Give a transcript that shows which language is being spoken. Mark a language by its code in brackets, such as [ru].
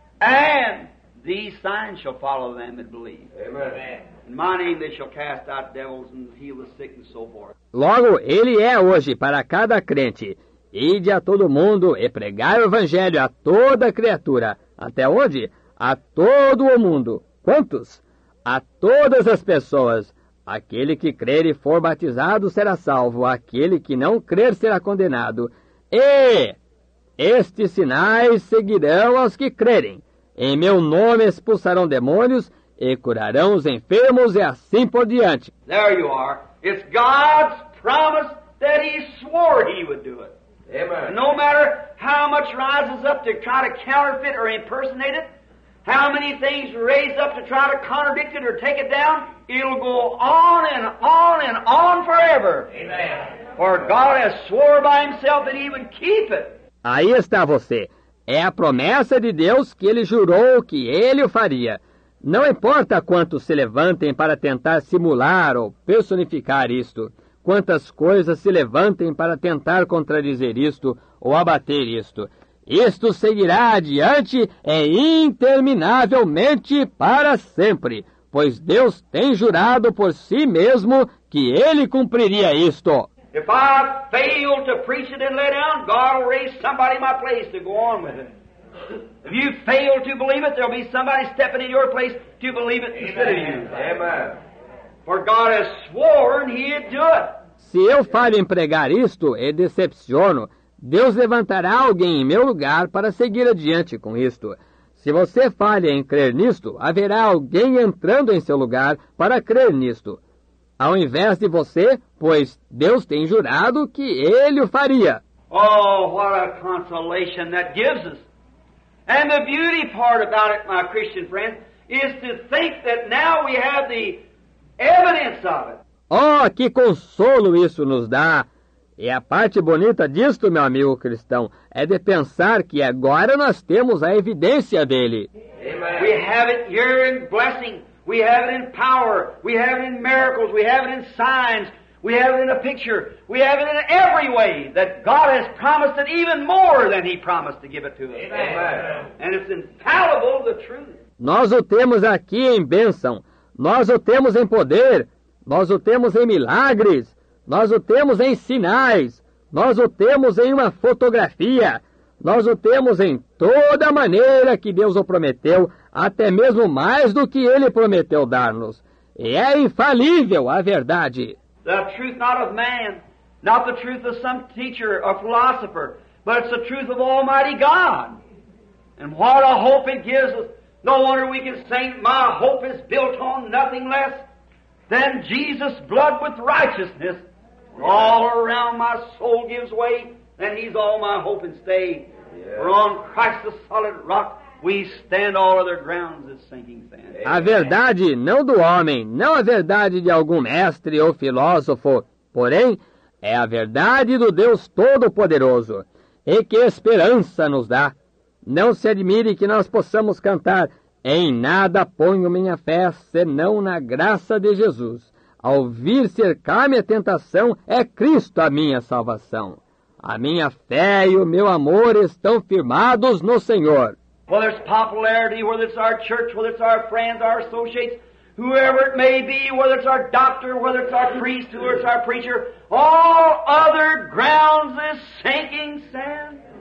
[en] And these signs shall follow them that believe. Amen. In my name they shall cast out devils and heal the sick and so forth. [pt] Logo, ele é hoje para cada crente. Ide a todo mundo e pregai o evangelho a toda criatura. Até onde? A todo o mundo. Quantos? A todas as pessoas. Aquele que crer e for batizado será salvo. Aquele que não crer será condenado. E estes sinais seguirão aos que crerem. Em meu nome expulsarão demônios e curarão os enfermos e assim por diante. [en] There you are. It's God's promise that he swore he would do it. Amen. No matter how much rises up to try to counterfeit or impersonate it, how many things raise up to try to contradict it or take it down, it'll go on and on and on forever. Amen. For God has swore by himself that he would keep it. [pt] Aí está você. É a promessa de Deus que ele jurou que ele o faria. Não importa quantos se levantem para tentar simular ou personificar isto. Quantas coisas se levantem para tentar contradizer isto ou abater isto. Isto seguirá adiante e interminavelmente para sempre, pois Deus tem jurado por si mesmo que ele cumpriria isto. [en] If I fail to preach it and lay down, God will raise somebody in my place to go on with it. If you fail to believe it, there'll be somebody stepping in your place to believe it instead of you. Amen. For God has sworn he'd do it. [pt] Se eu falho em pregar isto e decepciono, Deus levantará alguém em meu lugar para seguir adiante com isto. Se você falha em crer nisto, haverá alguém entrando em seu lugar para crer nisto, ao invés de você, pois Deus tem jurado que ele o faria. [en] Oh, what a consolation that gives us. And the beauty part about it, my Christian friend, is to think that now we have the evidence of it. [pt] Oh, que consolo isso nos dá! E a parte bonita disto, meu amigo cristão, é de pensar que agora nós temos a evidência dele. [en] Amen. We have it here in blessing. We have it in power. We have it in miracles. We have it in signs. We have it in a picture. We have it in every way that God has promised it even more than he promised to give it to us. Amen. And it's infallible, the truth. [pt] Nós o temos aqui em bênção. Nós o temos em poder. Nós o temos em milagres, nós o temos em sinais, nós o temos em uma fotografia, nós o temos em toda maneira que Deus o prometeu, até mesmo mais do que ele prometeu dar-nos. E é infalível a verdade. [en] The truth not of man, not the truth of some teacher or philosopher, but it's the truth of Almighty God. And what a hope it gives us. No wonder we can say, my hope is built on nothing less then Jesus' blood with righteousness all around my soul gives way, and he's all my hope and stay. Yeah. For on Christ the solid rock we stand, all other grounds is sinking sand. [pt] A verdade não do homem, não a verdade de algum mestre ou filósofo, porém, é a verdade do Deus Todo-Poderoso. E que esperança nos dá! Não se admire que nós possamos cantar: em nada ponho minha fé, senão na graça de Jesus. Ao vir cercar-me a tentação, é Cristo a minha salvação. A minha fé e o meu amor estão firmados no Senhor. [en] Whether it's popularity, whether it's our church, whether it's our friends, our associates, whoever it may be, whether it's our doctor, whether it's our priest, whether it's our preacher, all other grounds is sinking sand.